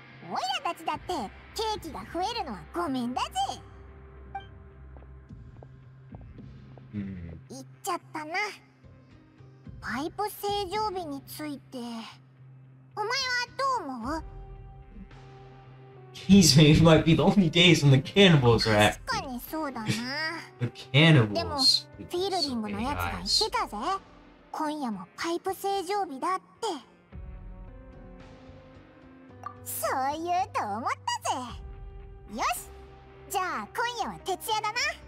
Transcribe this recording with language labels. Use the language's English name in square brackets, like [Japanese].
[Japanese] オイラたちだってケーキが増えるのはごめんだぜ。行っちゃったな。パイプ清浄日について、お前はどう思う？ [English] These may might be the only days when the cannibals are at. [Japanese] 確かにそうだな。 [English] The cannibals. [Japanese] でも、フィールディングのやつが言ってたぜ。今夜もパイプ清浄日だって。そう言うと思ったぜ。よし、じゃあ今夜は徹夜だな。